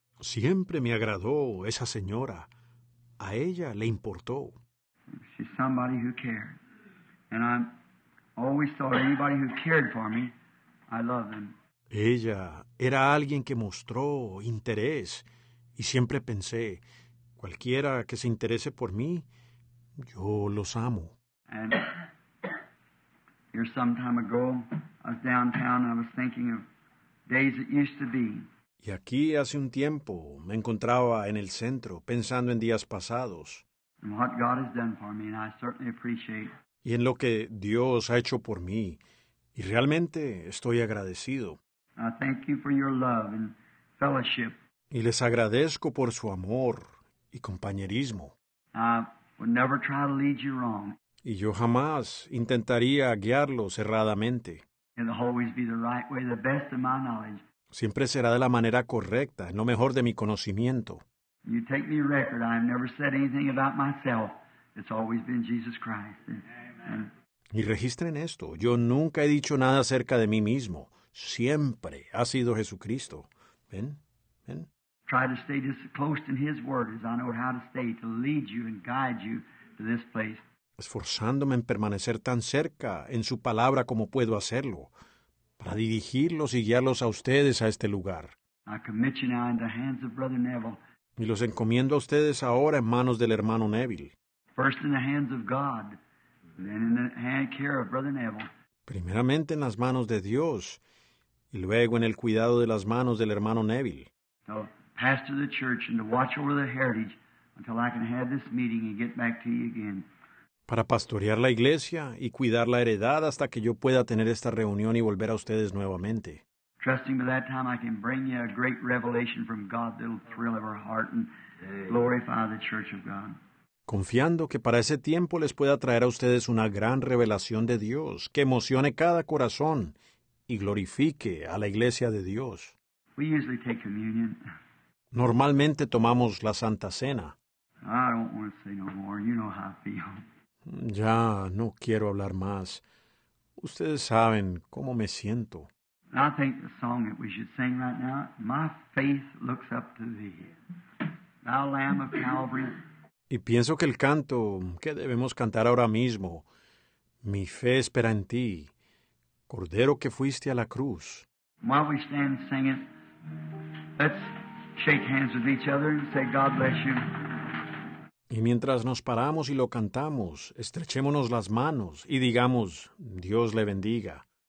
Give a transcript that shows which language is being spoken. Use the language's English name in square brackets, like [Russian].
[Spanish] Siempre me agradó esa señora. A ella le importó. [English] She's somebody who cared. And I always thought anybody who cared for me, I love them. [Spanish] Ella era alguien que mostró interés. Y siempre pensé, cualquiera que se interese por mí, yo los amo. [English] And here some time ago, I was downtown and I was thinking of days it used to be. [Spanish] Y aquí hace un tiempo me encontraba en el centro pensando en días pasados. [English] And what God has done for me, and I certainly appreciate. [Spanish] Y en lo que Dios ha hecho por mí. Y realmente estoy agradecido. [English] I thank you for your love and fellowship. [Spanish] Y les agradezco por su amor y compañerismo. [English] I would never try to lead you wrong. [Spanish] Y yo jamás intentaría guiarlos erradamente. [English] It'll always be the right way, the best of my knowledge. [Spanish] Siempre será de la manera correcta, en lo mejor de mi conocimiento. [English] You take me record. I've never said anything about myself. It's always been Jesus Christ. [Spanish] Amen. Y registren esto. Yo nunca he dicho nada acerca de mí mismo. Siempre ha sido Jesucristo. ¿Ven? ¿Ven? [English] Try to stay just close to his word as I know how to stay to lead you and guide you to this place. [Spanish] Esforzándome en permanecer tan cerca en su palabra como puedo hacerlo, para dirigirlos y guiarlos a ustedes a este lugar. [English] I commit you now in the hands of Brother Neville. [Spanish] Y los encomiendo a ustedes ahora en manos del hermano Neville. [English] First in the hands of God, then in the hand care of Brother Neville. [Spanish] Primeramente en las manos de Dios, y luego en el cuidado de las manos del hermano Neville. [English] To pastor the church and to watch over the heritage until I can have this meeting and get back to you again. [Spanish] Para pastorear la iglesia y cuidar la heredad hasta que yo pueda tener esta reunión y volver a ustedes nuevamente. [English] trusting by that time I can bring you a great revelation from God that'll thrill our heart and glorify the church of God. [Spanish] Confiando que para ese tiempo les pueda traer a ustedes una gran revelación de Dios que emocione cada corazón y glorifique a la Iglesia de Dios. [English] We usually take communion. [Spanish] Normalmente tomamos la Santa Cena. [English] I don't want to say no more. You know how I feel. [Spanish] Ya no quiero hablar más. Ustedes saben cómo me siento. [English] I think the song that we should sing right now, my faith looks up to thee, thou Lamb of Calvary. [Spanish] Y pienso que el canto que debemos cantar ahora mismo, mi fe espera en ti, Cordero que fuiste a la cruz. [English] While we stand singing, let's shake hands with each other and say, God bless you. [Spanish] Y mientras nos paramos y lo cantamos, estrechémonos las manos y digamos, Dios le bendiga.